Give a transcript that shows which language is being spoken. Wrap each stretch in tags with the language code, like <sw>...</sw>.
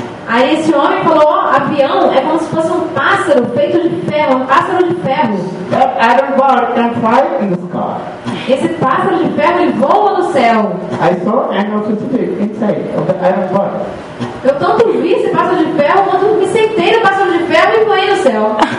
<pt>Aí esse homem falou, avião é como se fosse um pássaro feito de ferro, um pássaro de ferro.</pt> <en>That iron bar can fly in the sky.</en> <pt>Esse pássaro de ferro ele voa no céu.</pt> <en>I saw and also see inside of the iron bar.</en> <pt>Eu tanto vi esse pássaro de ferro quanto me sentei no pássaro de ferro e voei no céu.</pt>